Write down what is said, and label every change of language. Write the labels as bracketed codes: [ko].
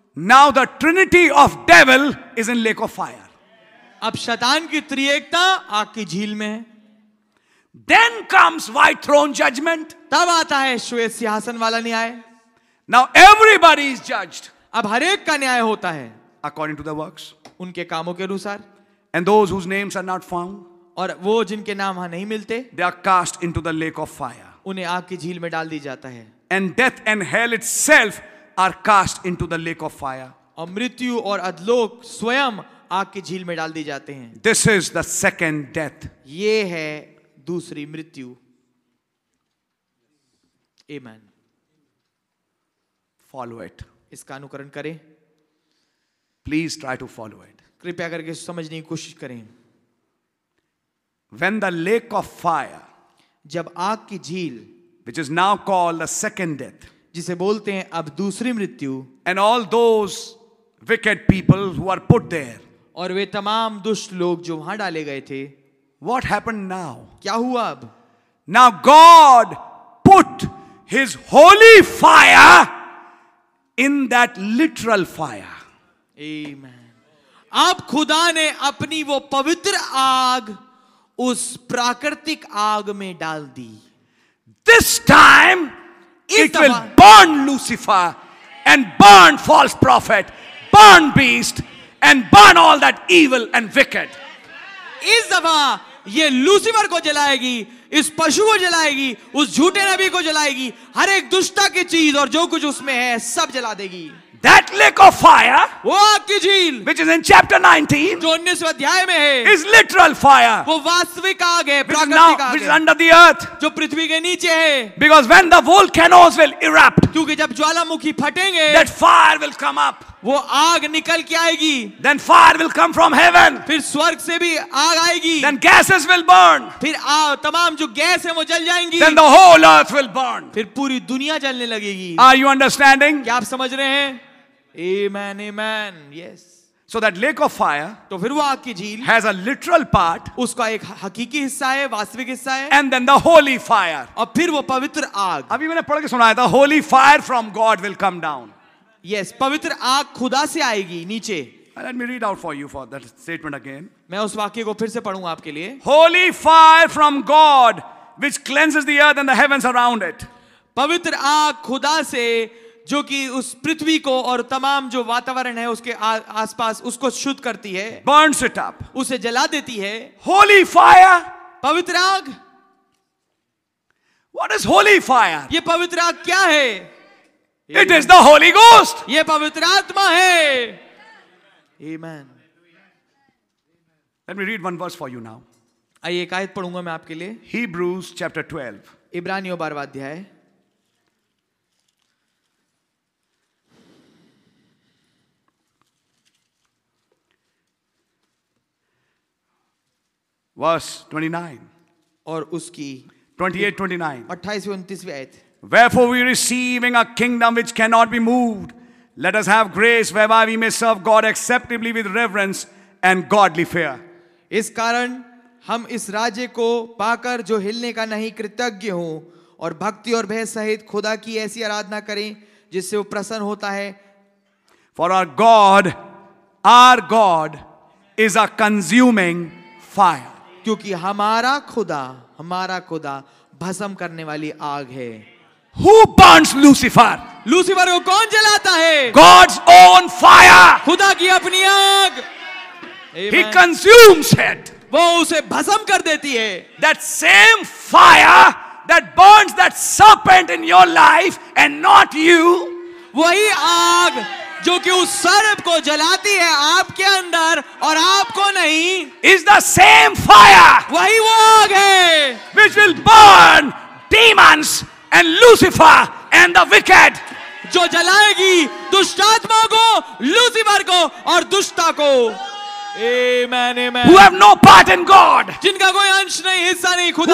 [en] Now the Trinity of Devil is in Lake of Fire. [hi] अब शैतान की त्रिएकता आग की झील में है. [en] Then comes White Throne Judgment. [hi] तब आता है श्वेत सिंहासन वाला न्याय. [en] Now everybody is judged. [hi] अब हर एक का न्याय होता है. [en] According to the works. [hi] उनके कामों के अनुसार. [en] And those whose names are not found. [hi] और वो जिनके नाम वहां नहीं मिलते. [en] They are cast into the Lake of Fire. [hi] उन्हें आग की झील में डाल दी जाता है. [en] And death and hell itself are cast into the lake of fire. [hi] अमृत्यु और अधलोक स्वयं आग की झील में डाल दी जाते हैं. [en] This is the second death. [hi] ये है दूसरी मृत्यु. [en] Amen. Follow it. [hi] इसका अनुकरण करें. [en] Please try to follow it. [hi] कृपया करके समझने की कोशिश करें. [en] When the lake of fire. [hi] जब आग की झील. [en] Which is now called the second death. [hi] जिसे बोलते हैं अब दूसरी मृत्यु. [en] And all those wicked people who are put there. [hi] और वे तमाम दुष्ट लोग जो वहां डाले गए थे. [en] What happened now? [hi] क्या हुआ अब? [en] Now God put His holy fire in that literal fire. Amen. [hi] अब खुदा ने अपनी वो पवित्र आग उस प्राकृतिक आग में डाल दी. [en] This time it will burn Lucifer and burn false prophet, burn beast and burn all that evil and wicked. [hi] इस दफा ये लूसीफर को जलाएगी इस पशु को जलाएगी उस झूठे नबी को जलाएगी हर एक दुष्टता की चीज और जो कुछ उसमें है सब जला देगी. [en] That lake of fire, [hi] वो आग की झील, [en] which is in chapter 19, [hi] जो 19वें अध्याय में है, [en] is literal fire, [hi] वो वास्तविक आग है, प्राकृतिक आग, [en] which is under the earth, [hi] जो पृथ्वी के नीचे है, [en] because when the volcanoes will erupt, [hi] क्योंकि जब ज्वालामुखी फटेंगे, [en] that fire will come up, [hi] वो आग निकल के आएगी, [en] then fire will come from heaven, [hi] फिर स्वर्ग से भी आग आएगी, [en] then gases will burn, [hi] फिर तमाम जो गैस है वो जल जाएंगी, [en] then the whole earth will burn, [hi] फिर पूरी दुनिया जलने लगेगी. [en] Are you understanding? [hi] क्या आप समझ रहे हैं? [en] Amen, amen, yes. So that lake of fire, [hi] तो फिर वो आग की झील, [en] has a literal part, [hi] उसका एक हकीकी हिस्सा है, वास्तविक हिस्सा है, [en] and then the holy fire, [hi] और फिर वो पवित्र आग. अभी मैंने पढ़ के सुनाया था, [en] holy fire from God will come down. [hi] Yes, पवित्र आग खुदा से आएगी नीचे. [en] Let me read out for you for that statement again. [hi] मैं उस वाक्य को फिर से पढूंगा आपके लिए. [en] Holy fire from God, which cleanses the earth and the heavens around it. [hi] पवित्र आग खुदा से जो कि उस पृथ्वी को और तमाम जो वातावरण है उसके आसपास उसको शुद्ध करती है [en] burns it up. [hi] उसे जला देती है [en] holy fire [hi] पवित्र आग [en] What is holy fire? [hi] ये पवित्र आग क्या है [en] It is the Holy Ghost. [hi] ये पवित्र आत्मा है Amen. [en] Let me read one verse for you now. [hi] आइए एक आयत पढ़ूंगा मैं आपके लिए [en] Hebrews chapter 12. [hi] इब्रानियों 12वां अध्याय [en] Verse 29. [hi] और उसकी [en] 28-29. Wherefore we receiving a kingdom which cannot be moved, let us have grace whereby we may serve God acceptably with reverence and godly fear. [hi] इस कारण हम इस राज्य को पाकर जो हिलने का नहीं कृतज्ञ हो और भक्ति और भय सहित खुदा की ऐसी आराधना करें जिससे वो प्रसन्न होता है. [en] For our God is a consuming fire. [hi] क्योंकि हमारा खुदा भस्म करने वाली आग है. [en] Who burns Lucifer? [hi] लूसीफर को कौन जलाता है? [en] God's own fire. [hi] खुदा की अपनी आग. [en] Amen. He consumes it. [hi] वो उसे भस्म कर देती है. [en] That same fire that burns that serpent in your life and not you. [hi] वही आग जो कि उस सर्प को जलाती है आपके अंदर और आपको नहीं. [en] Is the same fire. [hi] वही वो आग है. [en] Which will burn demons and Lucifer and the wicked. [hi] जो जलाएगी दुष्टात्मा को, लूसीफर को और दुष्टा को. [en] Amen, amen. Who have no part in God. [hi] जिनका कोई अंश नहीं, हिस्सा नहीं खुदा.